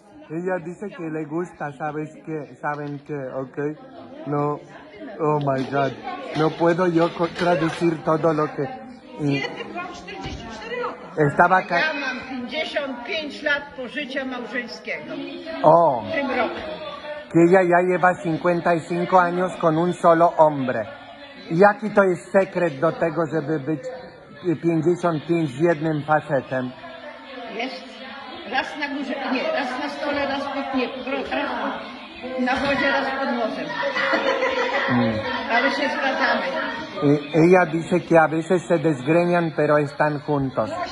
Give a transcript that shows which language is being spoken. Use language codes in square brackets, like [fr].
[es] Ella dice que le gusta, ¿sabes qué? ¿Saben qué? ¿Ok? No. [en] Oh, my God. [es] No puedo yo traducir todo lo que... Y... Estaba ca... [pl] Ya mam 55 lat pożycia małżeńskiego. Oh. W tym roku. [es] Que ella ya lleva 55 años con un solo hombre. Y aquí [pl] to jest sekret do tego, żeby być 55 z jednym facetem. Jest. Raz na górze, nie, raz na stole, raz pod nie, raz pod, na wodzie, raz pod morzem. Ale się zgadzamy. [es] Ella dice que a veces se desgreñan, pero están juntos.